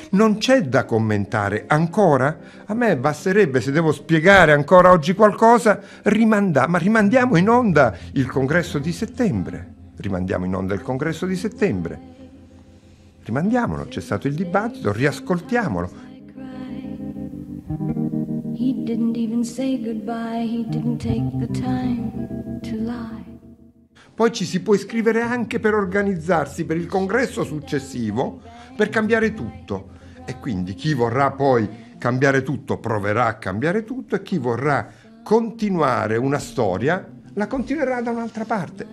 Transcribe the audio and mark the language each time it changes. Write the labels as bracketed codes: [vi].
[it] Non c'è da commentare ancora? A me basterebbe, se devo spiegare ancora oggi qualcosa, rimandiamo in onda il congresso di settembre. Rimandiamo in onda il congresso di settembre. Rimandiamolo, c'è stato il dibattito, riascoltiamolo. [en] He didn't even say goodbye, he didn't take the time to lie. [it] Poi ci si può iscrivere anche per organizzarsi per il congresso successivo, per cambiare tutto. E quindi chi vorrà poi cambiare tutto proverà a cambiare tutto e chi vorrà continuare una storia la continuerà da un'altra parte.